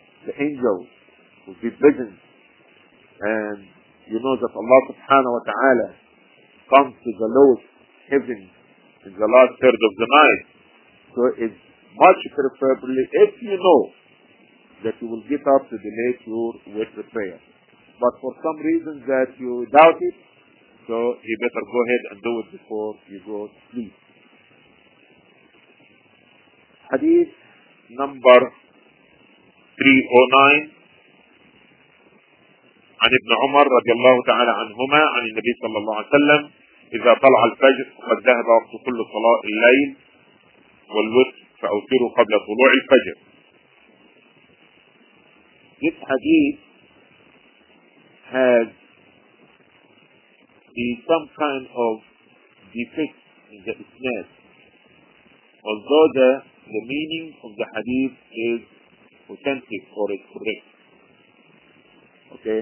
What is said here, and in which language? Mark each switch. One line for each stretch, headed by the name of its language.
English: The angels will be present. And you know that Allah subhanahu wa ta'ala comes to the lowest heaven in the last third of the night. So it's much preferably if you know that you will get up to delay your witr prayer. But for some reason that you doubt it, so you better go ahead and do it before you go to sleep. Hadith number 309
Arabic: عن ابن عمر رضي الله تعالى عنهما عن النبي صلى الله عليه وسلم إذا طلع الفجر فقد ذهب وقت كل صلاة الليل والوتر فأوتروا قبل طلوع الفجر.
English: This hadith has some kind of defect in the isnad, although the meaning of the hadith is authentic or is correct. Okay?